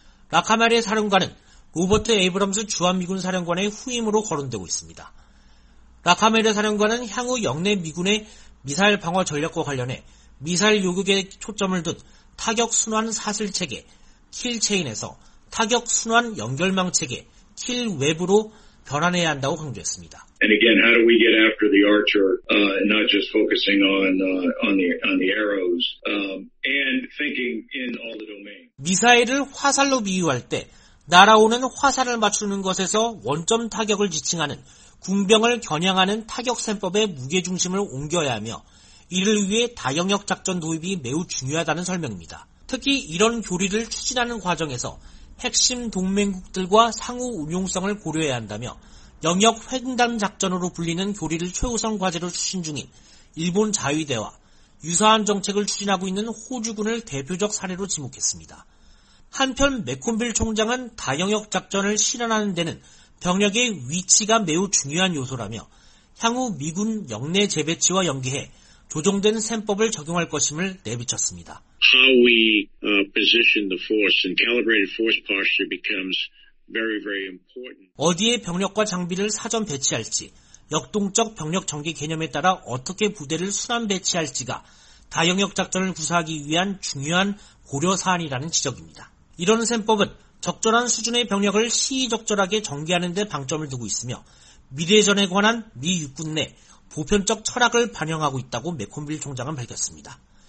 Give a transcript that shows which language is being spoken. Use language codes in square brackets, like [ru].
[ko] 라카마레 사령관은 로버트 에이브럼스 주한미군 사령관의 후임으로 거론되고 있습니다. 라카메르 사령관은 향후 영내 미군의 미사일 방어 전략과 관련해 미사일 요격에 초점을 둔 타격 순환 사슬 체계, 킬 체인에서 타격 순환 연결망 체계, 킬 웹으로 변환해야 한다고 강조했습니다. [en] And again, how do we get after the archer, not just focusing on the arrows, and thinking in all the domains. [ko] 미사일을 화살로 비유할 때 날아오는 화살을 맞추는 것에서 원점 타격을 지칭하는 궁병을 겨냥하는 타격 셈법의 무게중심을 옮겨야 하며 이를 위해 다영역 작전 도입이 매우 중요하다는 설명입니다. 특히 이런 교리를 추진하는 과정에서 핵심 동맹국들과 상호 운용성을 고려해야 한다며 영역 횡단 작전으로 불리는 교리를 최우선 과제로 추진 중인 일본 자위대와 유사한 정책을 추진하고 있는 호주군을 대표적 사례로 지목했습니다. 한편 맥콤빌 총장은 다영역 작전을 실현하는 데는 병력의 위치가 매우 중요한 요소라며 향후 미군 영내 재배치와 연계해 조정된 셈법을 적용할 것임을 내비쳤습니다. [en] How we position the force and calibrated force posture becomes very, very important. [ko] 어디에 병력과 장비를 사전 배치할지, 역동적 병력 전개 개념에 따라 어떻게 부대를 순환 배치할지가 다영역 작전을 구사하기 위한 중요한 고려 사안이라는 지적입니다. 이런 셈법은 적절한 수준의 병력을 시의적절하게 전개하는 데 방점을 두고 있으며 미래전에 관한 미 육군 내 보편적 철학을 반영하고 있다고 맥콤빌 총장은 밝혔습니다.